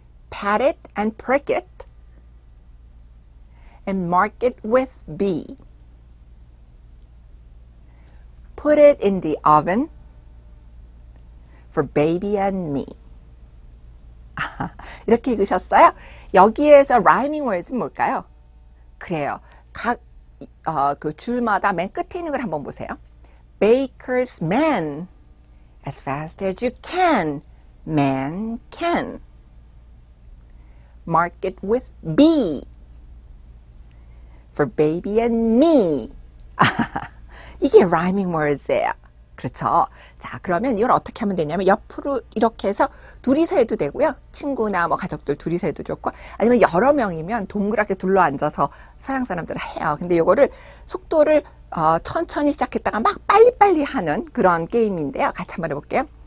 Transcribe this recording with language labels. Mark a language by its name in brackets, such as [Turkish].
[English] Pat it and prick it and mark it with B. Put it in the oven for baby and me. [Korean] 이렇게 읽으셨어요? 여기에서 rhyming words은 뭘까요? 그래요. 각, 그 줄마다 맨 끝에 있는 걸 한번 보세요. [English] Baker's man, as fast as you can, man can. Mark it with B for baby and me. [Korean] 이게 rhyming words예요. 그렇죠. 자, 그러면 이걸 어떻게 하면 되냐면 옆으로 이렇게 해서 둘이서 해도 되고요. 친구나 뭐 가족들 둘이서 해도 좋고 아니면 여러 명이면 동그랗게 둘러 앉아서 서양 사람들은 해요. 근데 이거를 속도를 천천히 시작했다가 막 빨리빨리 하는 그런 게임인데요. 같이 한번 해볼게요.